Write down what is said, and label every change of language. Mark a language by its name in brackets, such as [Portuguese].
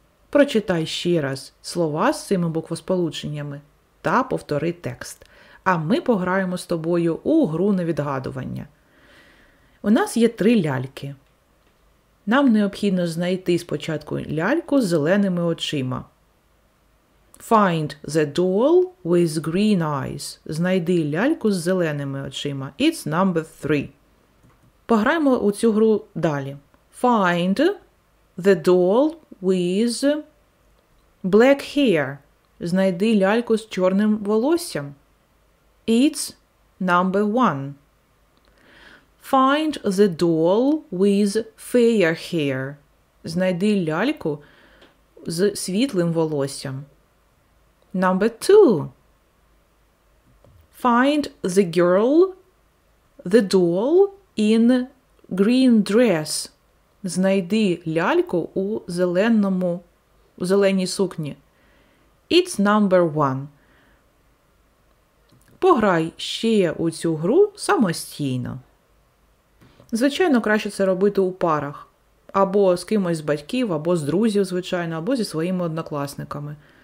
[Ukrainian] Прочитай ще раз слова з цими буквосполученнями та повтори текст. А ми пограємо з тобою у гру на відгадування. У нас є три ляльки. Нам необхідно знайти спочатку ляльку з зеленими очима. [English] Find the doll with green eyes. [Ukrainian] Знайди ляльку з зеленими очима. [English] It's number three. [Ukrainian] Пограємо у цю гру далі. [English] Find the doll with black hair. [Ukrainian] Знайди ляльку з чорним волоссям. [English] It's number one. Find the doll with fair hair. [Ukrainian] Знайди ляльку з світлим волоссям. [English] Number two. Find the girl, the doll in green dress. [Ukrainian] Знайди ляльку у зеленому, у зеленій сукні. [English] It's number one. [Ukrainian] Пограй ще у цю гру самостійно. Звичайно, краще це робити у парах. Або з кимось з батьків, або з друзів, звичайно, або зі своїми однокласниками.